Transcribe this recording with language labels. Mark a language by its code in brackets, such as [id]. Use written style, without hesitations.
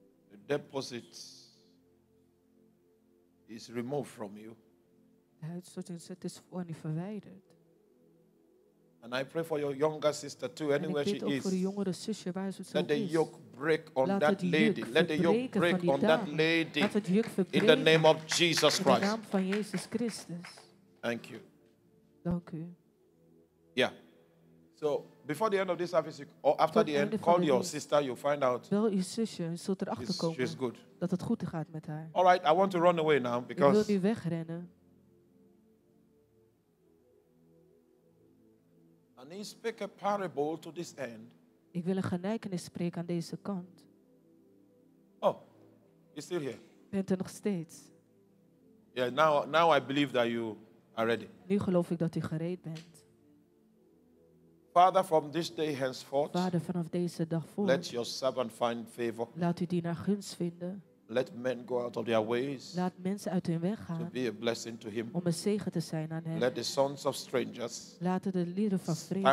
[en] The deposit is removed from you. [nl] De huidstorting is voor niet verwijderd. [en] And I pray for your younger sister too, anywhere she is. [nl] Voor de jongere zusje, waar ze [en] let the yoke break on that lady. Let the yoke break on that lady. [nl] Laat het juk verbreken. [en] In the name of Jesus Christ. [nl] In de naam van Jezus Christus. [en] Thank you. [nl] Dank u. [en] Yeah. So before the end of this service, or after the end, call your sister. You'll find out. [nl] Bel uw zusje en zult erachter komen. [en] She's good. [nl] Dat het goed gaat met haar. [en] All right. I want to run away now because. [nl] Ik wil nu wegrennen. [en] And he speak a parable to this end. [nl] Ik wil een gelijkenis spreken aan deze kant. [en] Oh, you're still here. [nl] Bent er nog steeds? [en] Yeah, now I believe that you are ready. [nl] Nu geloof ik dat u gereed bent. [en] Father, from this day henceforth. [nl] Vader, vanaf deze dag voort. [en] Let your servant find favor. [nl] Laat u dienaar gunst vinden. [en] Let men go out of their ways. [nl] Laat mensen uit hun weg gaan. [en] To be a blessing to him. [nl] Om een zegen te zijn aan hem. [en] Let the sons of strangers. [nl] Laat de lieden van vreemden.